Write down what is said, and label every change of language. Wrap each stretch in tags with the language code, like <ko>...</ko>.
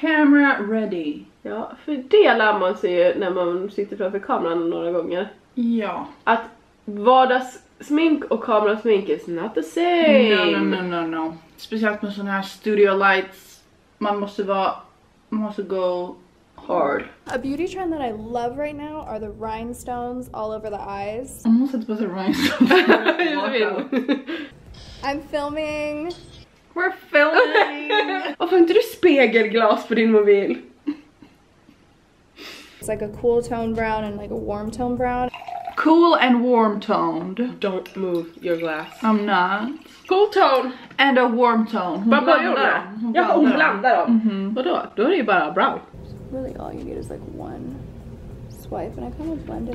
<en>Camera ready.</en> <sv>Ja, för det lär man sig ju när man sitter framför kameran några gånger. Ja. Att vardags smink och kamerasmink</sv> <en>is not the same. No.</en> <sv>Speciellt med såna här studio lights. Man måste gå hard.</sv> <en>A beauty trend that I love right now are the rhinestones all over the eyes. I almost said it was a rhinestone. I'm filming. We're filming.</en> <sv>Varför inte du spegelglas på din mobil?</sv> <en>It's like a cool tone brown and like a warm tone brown. Cool and warm toned. Don't move your glass. I'm not. Cool tone. And a warm tone.</en> <sv>Hon blandar. Ja, hon blandar dem. Mm-hmm. Vadå? Då är det ju bara bra.</sv> <en>Really all you need is like one swipe and I kind of blend it</en>